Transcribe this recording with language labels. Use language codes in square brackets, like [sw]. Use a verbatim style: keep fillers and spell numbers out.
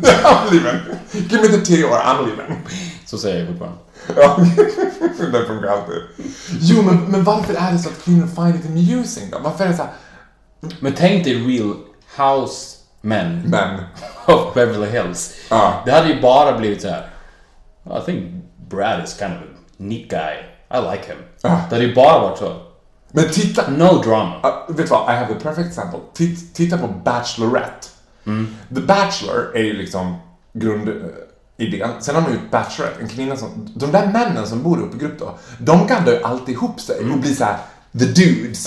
[en] I'm leaving. Give me the tea or I'm leaving. [sv] Så säger jag fortfarande. Ja, det funkar alltid. Jo, men, men varför är det så att kvinnor [en] find it amusing [sv] då? Varför är det så här... Men tänk dig real house men. Men. [en] Of Beverly Hills. Ah. [sv] Det hade ju bara blivit så här. [en] I think Brad is kind of a neat guy. I like him. Ah. [sv] Det hade ju bara varit så. Men titta... [en] No drama. [sv] Uh, vet du vad, [en] I have the perfect example. [sv] Titt, titta på Bachelorette. Mm. The Bachelor är ju liksom grund... idén. Sen har man ju Bachelorette, en kvinna som... De där männen som bor uppe i grupp då, de gaddar ju alltid ihop sig och blir så här [en] the dudes